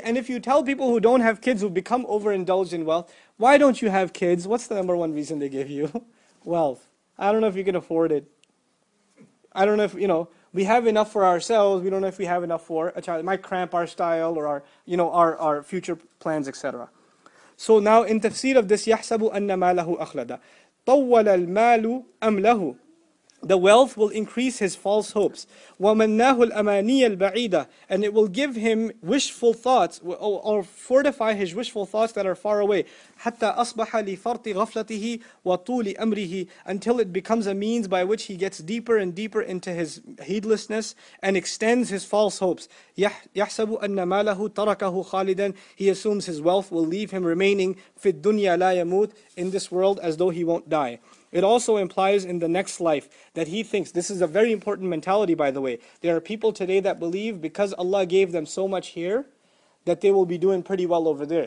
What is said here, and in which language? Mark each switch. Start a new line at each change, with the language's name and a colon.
English: And if you tell people who don't have kids, who become overindulged in wealth, why don't you have kids? What's the number one reason they give you? Wealth. I don't know if you can afford it. I don't know if, you know, we have enough for ourselves. We don't know if we have enough for a child. It might cramp our style or our future plans, etc. So now in tafsir of this,
Arabic: يَحْسَبُ أَنَّ مَالَهُ أَخْلَدَ طَوَّلَ الْمَالُ أَمْ لَهُ.
English: The wealth will increase his false hopes.
Arabic: وَمَنَّاهُ الْأَمَانِيَ الْبَعِيدَ.
English: And it will give him wishful thoughts, or fortify his wishful thoughts that are far away.
Arabic: حَتَّى أَصْبَحَ لِفَرْطِ غَفْلَتِهِ وَطُولِ أَمْرِهِ.
English: Until it becomes a means by which he gets deeper and deeper into his heedlessness and extends his false hopes.
Arabic: يَحْسَبُ أَنَّ مَالَهُ تَرَكَهُ خَالِدًا.
English: He assumes his wealth will leave him remaining
Arabic: فِي الدُّنْيَا لَا يَمُوتُ.
English: In this world, as though he won't die. It also implies in the next life that he thinks, this is a very important mentality by the way, there are people today that believe because Allah gave them so much here, that they will be doing pretty well over there.